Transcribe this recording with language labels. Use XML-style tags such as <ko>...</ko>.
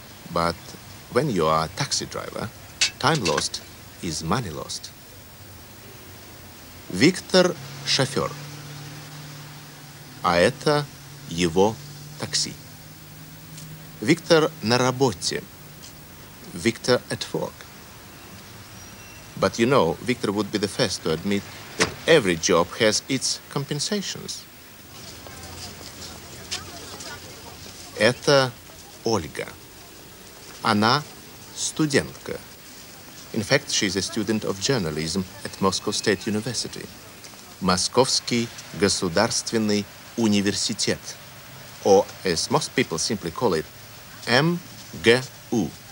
<en>But when you are a taxi driver, time lost is money lost.</en> <ru>Виктор – шофер, а это его такси. Виктор на работе. Виктор</ru> <en>at work. But you know, Виктор would be the first to admit that every job has its compensations.</en> <ru>Это Ольга. Она студентка.</ru> <en>In fact, she is a student of journalism at Moscow State University.</en> <ru>Московский государственный университет.</ru> <en>Or, as most people simply call it, МГУ.</en>